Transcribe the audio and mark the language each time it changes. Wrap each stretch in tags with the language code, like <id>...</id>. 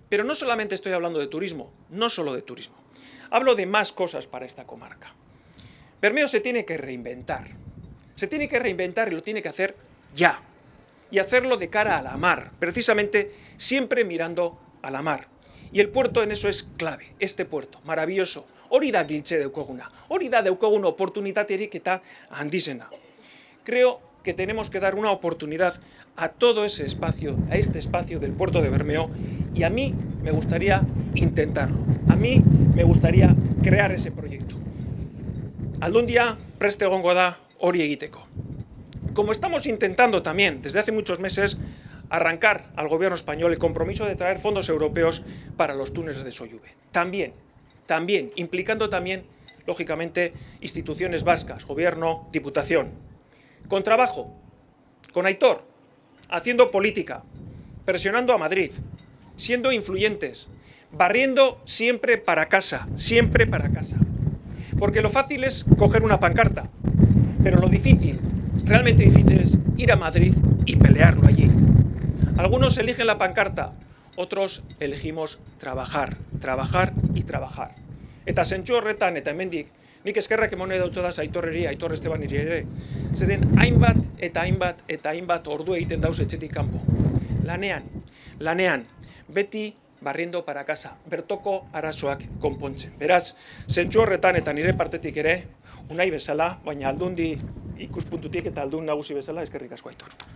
<es>Pero no solamente estoy hablando de turismo, no solo de turismo. Hablo de más cosas para esta comarca. Bermeo se tiene que reinventar. Se tiene que reinventar y lo tiene que hacer ya. Y hacerlo de cara a la mar, precisamente siempre mirando a la mar. Y el puerto en eso es clave, este puerto, maravilloso.</es> <eu>Hori da giltxe daukaguna. Hori da daukagun oportunitaterik eta handizena.</eu> <es>Creo que tenemos que dar una oportunidad a todo ese espacio, a este espacio del puerto de Bermeo, y a mí me gustaría intentarlo. A mí me gustaría crear ese proyecto.</es> <eu>Aldundia preste egongo da hori egiteko.</eu> <es>Como estamos intentando también desde hace muchos meses arrancar al gobierno español el compromiso de traer fondos europeos para los túneles de Solluve. También, implicando también, lógicamente, instituciones vascas, gobierno, diputación. Con trabajo, con Aitor, haciendo política, presionando a Madrid, siendo influyentes, barriendo siempre para casa, siempre para casa. Porque lo fácil es coger una pancarta, pero lo difícil, realmente difícil, es ir a Madrid y pelearlo allí. Algunos eligen la pancarta, otros elegimos trabajar, trabajar y trabajar.</es> <eu>Eta zentsu horretan, eta hemendik, nik eskerrak emone dautza daz Aitorreri, Aitor Estebaniri ere, zeren hainbat eta hainbat eta hainbat ordu egiten dauz etxetik kanpo. Lanean, lanean, beti</eu> <es>barriendo para casa,</es> <eu>bertoko arazoak konpontzen. Beraz, zentsu horretan eta nire partetik ere, Unai bezala, baina Aldundi ikuspuntutik eta Aldun nagusi bezala, eskerrik asko Aitor.</eu>